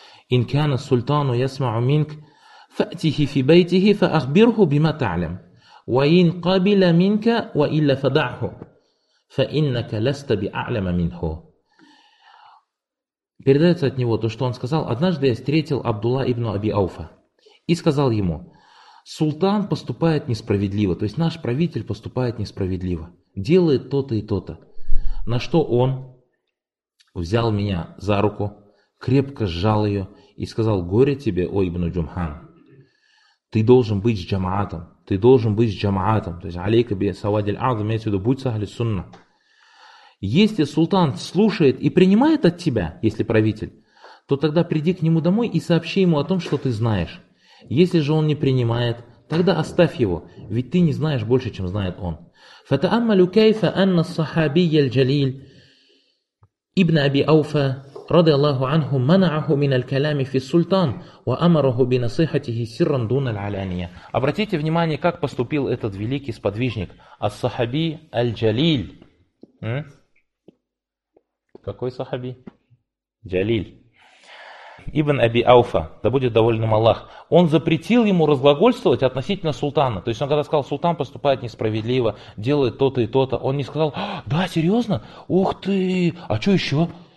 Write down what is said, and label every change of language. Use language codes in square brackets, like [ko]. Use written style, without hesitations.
[ar] Ин кана султану ясмау минк, فأتيه في بيته فأخبره بما تعلم وإن قابل منك وإلا فدعه فإنك لست بأعلم منه. [ru] Передается от него то, что он сказал. Однажды я встретил Абдулла ибн Аби Ауфа и сказал ему: султан поступает несправедливо, то есть наш правитель поступает несправедливо, делает то-то и то-то. На что он взял меня за руку, крепко сжал ее и сказал: горе тебе, о ибн Джумхан. Ты должен быть с джамаатом. Ты должен быть с джамаатом. То есть, [ar] алейка би савадиль азм, [ru] имеется в виду, будь с ахли сунна. Если султан слушает и принимает от тебя, если правитель, то тогда приди к нему домой и сообщи ему о том, что ты знаешь. Если же он не принимает, тогда оставь его, ведь ты не знаешь больше, чем знает он. [ar] Фатааммалю кайфа анна сахабия аль-джалиль ибн Аби Ауфа رضي الله عنه منعه من الكلام في السلطان وأمره بنصيحته سرا دون العلانية. [ru] Обратите внимание, как поступил этот великий сподвижник, ас-сахаби аль-джалиль. Какой сахаби? Джалиль. Ибн Аби Ауфа, да будет доволен им Аллах. Он запретил ему разглагольствовать относительно султана. То есть он когда сказал, султан поступает несправедливо, делает то-то и то-то, он не сказал: да, серьезно? Ух ты! А что еще?